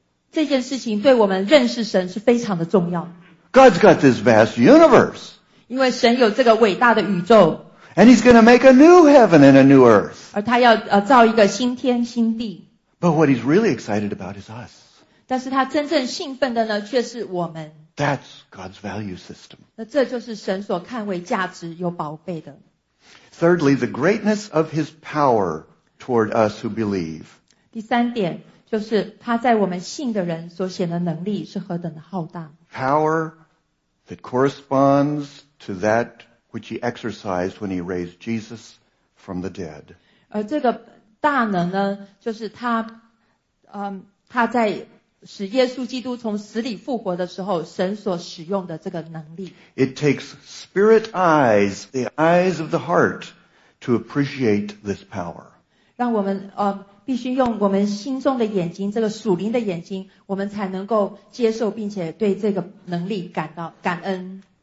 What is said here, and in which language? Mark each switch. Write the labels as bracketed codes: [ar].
[zh] 这件事情对我们认识神是非常的重要。 [en] God's got this vast universe. [zh] 因为神有这个伟大的宇宙。 [en] And He's going to make a new heaven and a new earth. [zh] 而他要造一个新天新地。 [en] But what He's really excited about is us. [zh] 但是他真正兴奋的呢，却是我们。 [en] That's God's value system. [zh] 那这就是神所看为价值有宝贝的。 [en] Thirdly, the greatness of His power toward us who believe. [zh] 第三点就是他在我们信的人所显的能力是何等的浩大。 [en] Power that corresponds to that which He exercised when He raised Jesus from the dead. [zh] 而这个大能呢，就是他，他在使耶稣基督从死里复活的时候，神所使用的这个能力。 [en] It takes spirit eyes, the eyes of the heart, to appreciate this power. [zh] 让我们必须用我们心中的眼睛，这个属灵的眼睛，我们才能够接受并且对这个能力感到感恩。